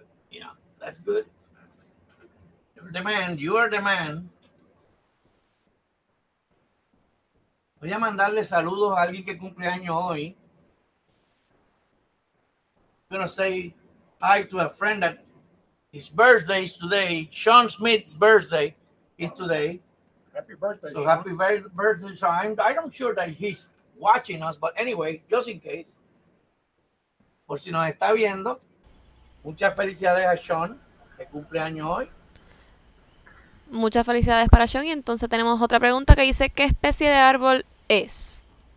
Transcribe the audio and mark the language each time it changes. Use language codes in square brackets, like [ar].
[en] Yeah, that's good. You are the man. [es] Voy a mandarle saludos a alguien que cumple años hoy. [en] I'm gonna say hi to a friend that his birthday is today. Sean Smith's birthday is today. Happy birthday. So happy birthday, Sean. I'm sure that he's watching us, but anyway, just in case. [es] Por si nos está viendo. Muchas felicidades a Sean, que cumple año hoy. Muchas felicidades para Sean. Y entonces tenemos otra pregunta que dice, ¿qué especie de árbol es?